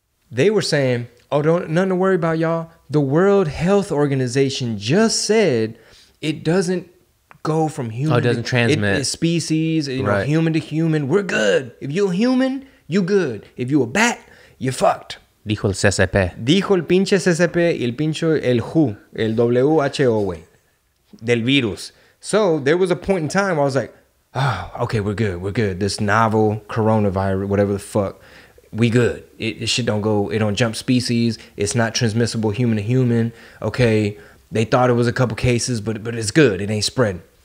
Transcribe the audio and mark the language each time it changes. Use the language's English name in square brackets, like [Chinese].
[English] They were saying, oh, don't nothing to worry about, y'all. The World Health Organization just said it doesn't go from human... Oh, it doesn't transmit. It's species, you know, right. Human to human. We're good. If you're human, you good. If you're a bat, you're fucked. [Spanish] Dijo el CCP. Dijo el pinche CCP y el pinche el WHO, el WHO, güey, del virus. [English] So there was a point in time where I was like, oh, okay, we're good, we're good. This novel coronavirus, whatever the fuck, we good. It shit don't go, it don't jump species. It's not transmissible human to human. Okay, they thought it was a couple cases, but it's good. It ain't spread.